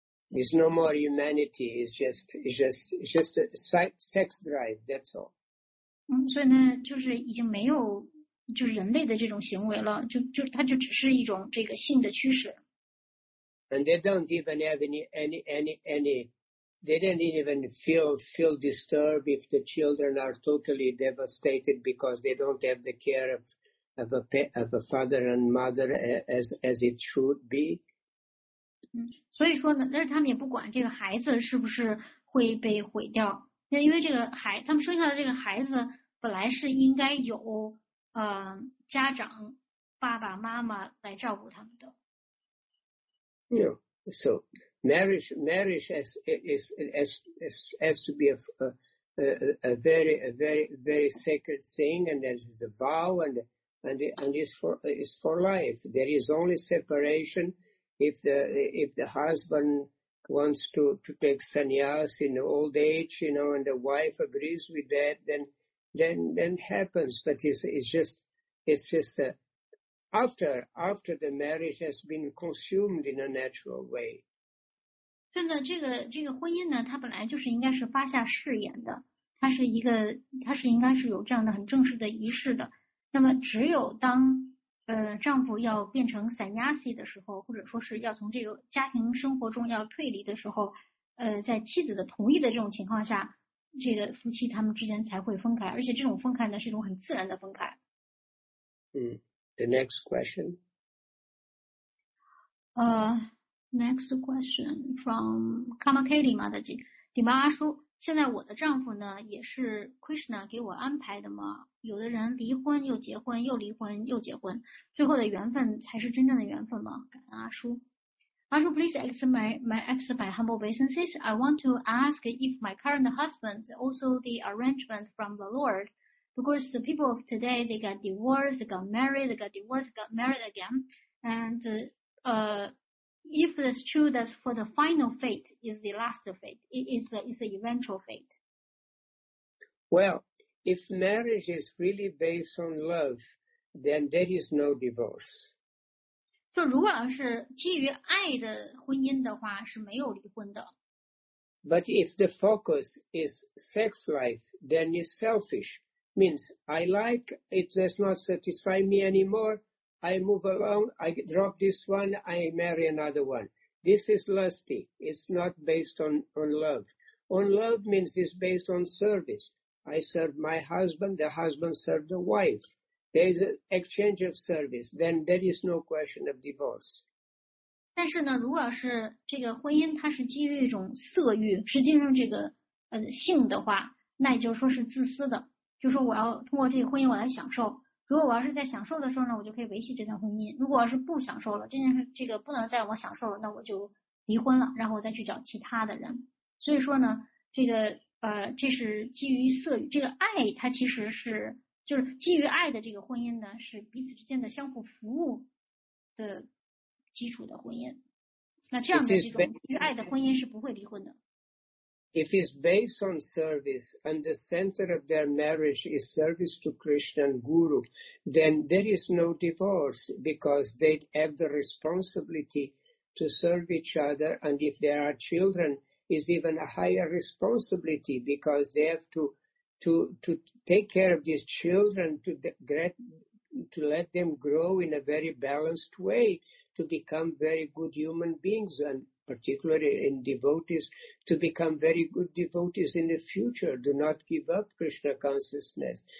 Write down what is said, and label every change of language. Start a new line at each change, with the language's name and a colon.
English: There's no more humanity. It's just a sex drive. That's all.
Chinese: 所以呢，就是已经没有就是人类的这种行为了，就它就只是一种这个性的驱使。
English: And they don't even have any, they didn't even feel disturbed if the children are totally devastated because they don't have the care of a father and mother as it should be.
Chinese: 所以说呢，但是他们也不管这个孩子是不是会被毁掉，那因为这个孩，他们生下的这个孩子。本来是应该有家长爸爸妈妈来照顾他们的。
English: Yeah, so marriage has to be a very sacred thing, and there's the vow and it's for life. There is only separation if the husband wants to take sannyas in old age, you know, and the wife agrees with that, then happens, but it's just after the marriage has been consumed in a natural way.
Chinese: 真的，这个婚姻呢，它本来就是应该是发下誓言的，它是应该是有这样的很正式的仪式的。那么，只有当丈夫要变成 sannyasi 的时候，或者说是要从这个家庭生活中要退离的时候，在妻子的同意的这种情况下。这个夫妻他们之间才会分开，而且这种分开呢是一种很自然的分开。
English: The next question. Next question from Kamakeli Madaji.
Chinese: Dima 阿叔，现在我的丈夫呢也是 Krishna 给我安排的嘛？有的人离婚又结婚，又离婚又结婚，最后的缘分才是真正的缘分吗？感恩阿叔。
English: Also, please accept my humble obeisances. I want to ask if my current husband also the arrangement from the Lord, because the people of today, they got divorced, they got married, they got divorced, got married again. And if that's true, that's for the final fate, is the last fate, is the eventual fate. Well, if marriage is really based on love, then there is no divorce.
Chinese: 就如果是基于爱的婚姻的话，是没有离婚的。
English: But if the focus is sex life, then it's selfish. Means I like it does not satisfy me anymore. I move along. I drop this one. I marry another one. This is lusty. It's not based on love. On love means it's based on service. I serve my husband. The husband serves the wife. There is an exchange of service, then there is no question of divorce.
Chinese: 但是呢，如果要是这个婚姻它是基于一种色欲，实际上这个性的话，那也就是说是自私的，就是我要通过这个婚姻我来享受。如果我要是在享受的时候呢，我就可以维系这段婚姻；如果要是不享受了，这件事这个不能再让我享受了，那我就离婚了，然后我再去找其他的人。所以说呢，这个这是基于色欲，这个爱它其实是。就是基于爱的这个婚姻呢，是彼此之间的相互服务的基础的婚姻。那这样的这种基于爱的婚姻是不会离婚的。
English: If it's based on service and the center of their marriage is service to Krishna and Guru, then there is no divorce because they have the responsibility to serve each other. And if there are children, is even a higher responsibility because they have to take care of these children, to let them grow in a very balanced way, to become very good human beings, and particularly in devotees, to become very good devotees in the future, do not give up Krishna consciousness.